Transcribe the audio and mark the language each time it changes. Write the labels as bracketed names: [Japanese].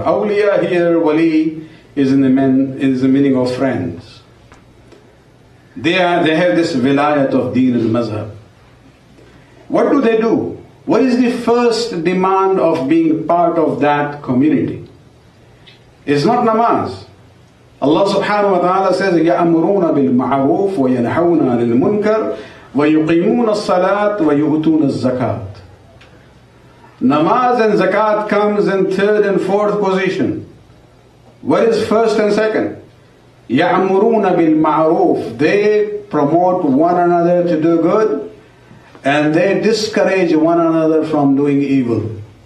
[English] Awliya here, wali, is the meaning of friends. They have this vilayat of deen and mazhab. What do they do? What is the first demand of being part of that community? It's not namaz. [Arabic] Allah subhanahu wa ta'ala says, يَأْمُرُونَ بِالْمَعَرُوفِ وَيَنْحَوْنَ عَنِ الْمُنْكَرِ وَيُقِيمُونَ الصَّلَاةِ وَيُؤْتُونَ الزَّكَاةِ. [English] Namaz and zakat comes in third and fourth position. What is first and second? [Arabic] يَأْمُرُونَ بِالْمَعَرُوفِ. [English] They promote one another to do good, and they discourage one another from doing evil.